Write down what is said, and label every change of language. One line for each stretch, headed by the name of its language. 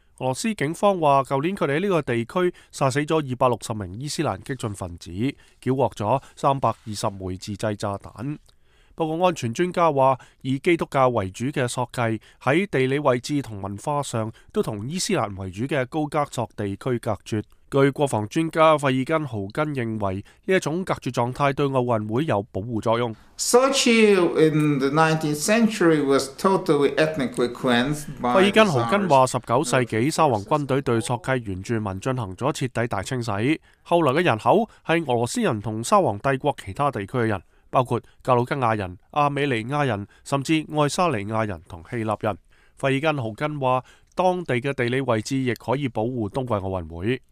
Chinese: 俄罗斯警方说，去年他们在这个地区杀死了260名伊斯兰激进分子，缴获了320枚自制炸弹。不过安全专家说，以基督教为主的索契在地理位置和文化上都和伊斯兰为主的高加索地区隔绝。据国防专家费尔根豪根认为，这种隔绝状态对奥运会有保护作用。
English: Sochi in the 19th century was totally ethnically cleansed by.
Chinese: 费尔根豪根话，19世纪沙皇军队对索契原住民进行了彻底大清洗，后来的人口是俄罗斯人和沙皇帝国其他地区的人，包括格鲁吉亚人、阿美尼亚人，甚至爱沙尼亚人和希腊人。费尔根豪根话，当地的地理位置亦可以保护冬季奥运会。